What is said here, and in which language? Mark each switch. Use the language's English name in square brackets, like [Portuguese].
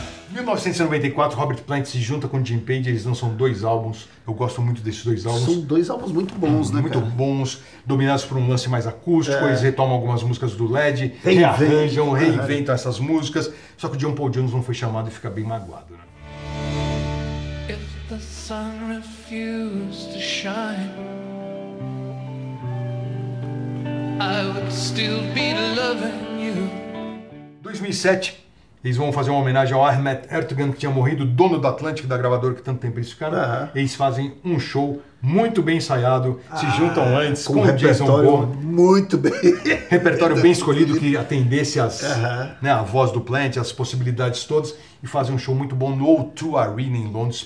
[Portuguese] Em 1994, Robert Plant se junta com Jim Page, eles lançam dois álbuns. Eu gosto muito desses dois álbuns. São dois álbuns muito bons, né, muito cara? Muito bons, dominados por um lance mais acústico, eles retomam algumas músicas do Led, rearranjam, reinventam essas músicas. Só que o John Paul Jones não foi chamado e fica bem magoado, né? [English] If the sun refused to shine, I would still be loving you. [Portuguese] 2007. Eles vão fazer uma homenagem ao Ahmet Ertegun, que tinha morrido, dono do Atlântico, da gravadora, que tanto tempo eles ficaram. Uhum. Eles fazem um show muito bem ensaiado, se juntam antes com o Jason Bourne. Repertório muito bem. Repertório bem escolhido, que atendesse as, né, a voz do Plant, as possibilidades todas, e fazem um show muito bom no O2 Arena em Londres.